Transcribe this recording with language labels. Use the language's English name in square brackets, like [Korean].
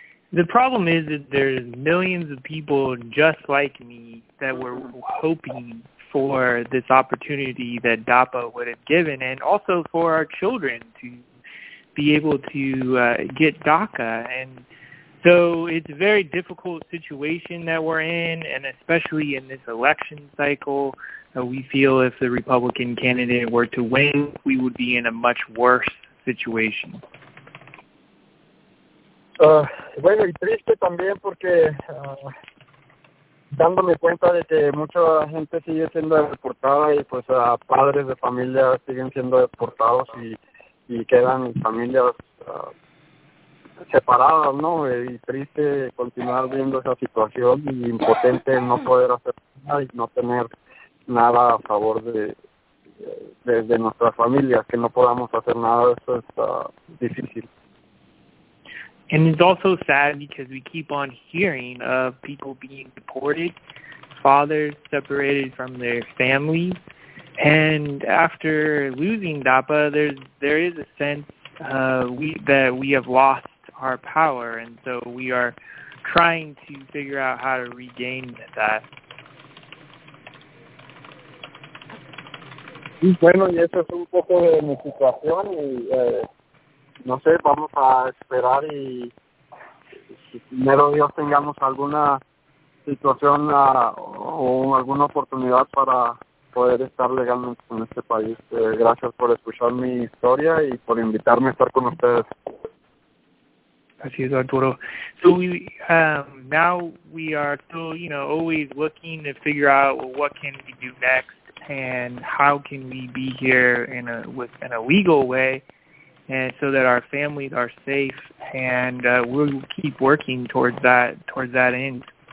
[English] The problem is that there's millions of people just like me that were hoping for this opportunity that DAPA would have given, and also for our children to be able to get DACA. And so it's a very difficult situation that we're in, and especially in this election cycle, we feel if the Republican candidate were to win, we would be in a much worse situation. [Spanish] Bueno, y triste también porque dándome cuenta de que mucha gente sigue siendo deportada y pues a padres de familia siguen siendo deportados y quedan familias separadas, ¿no? Y triste continuar viendo esa situación y impotente no poder hacer nada y no tener nada a favor de nuestras familias, que no podamos hacer nada, eso es difícil. [English] And it's also sad because we keep on hearing of people being deported, fathers separated from their families. And after losing DAPA, there is a sense that we have lost our power. And so we are trying to figure out how to regain that. [Spanish] Bueno, y eso es un poco de mi situación y... No sé, vamos a esperar y primero Dios tengamos alguna situación o alguna oportunidad para poder estar legalmente en este país. Gracias por escuchar mi historia y por invitarme a estar con ustedes. Así es, Arturo. [English] So we now we are still, you know, always looking to figure out, well, what can we do next and how can we be here in a legal way, and so that our families are safe, and we'll keep working towards that end.